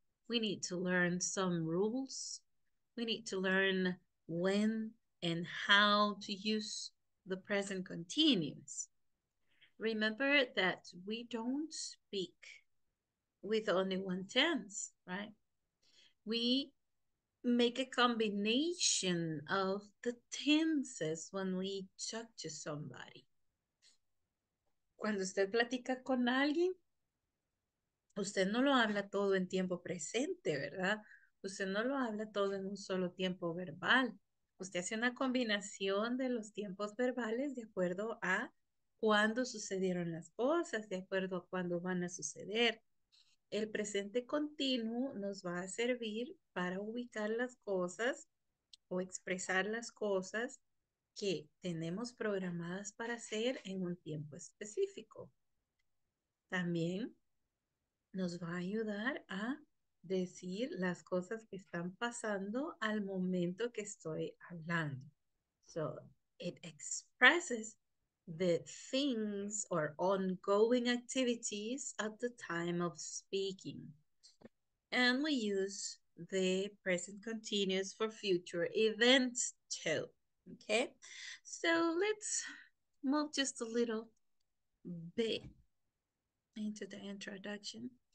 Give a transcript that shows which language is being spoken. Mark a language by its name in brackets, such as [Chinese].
[English] We need to learn some rules. We need to learn when and how to use the present continuous. Remember that we don't speak with only one tense, right? We make a combination of the tenses when we talk to somebody. [Spanish] Cuando usted platica con alguien, usted no lo habla todo en tiempo presente, ¿verdad? Usted no lo habla todo en un solo tiempo verbal. Usted hace una combinación de los tiempos verbales de acuerdo a cuándo sucedieron las cosas, de acuerdo a cuándo van a suceder. El presente continuo nos va a servir para ubicar las cosas o expresar las cosas que tenemos programadas para hacer en un tiempo específico. También nos va a ayudar a decir las cosas que están pasando al momento que estoy hablando. [English] So, it expresses the things or ongoing activities at the time of speaking. And we use the present continuous for future events too. Okay, so let's move just a little bit into the introduction.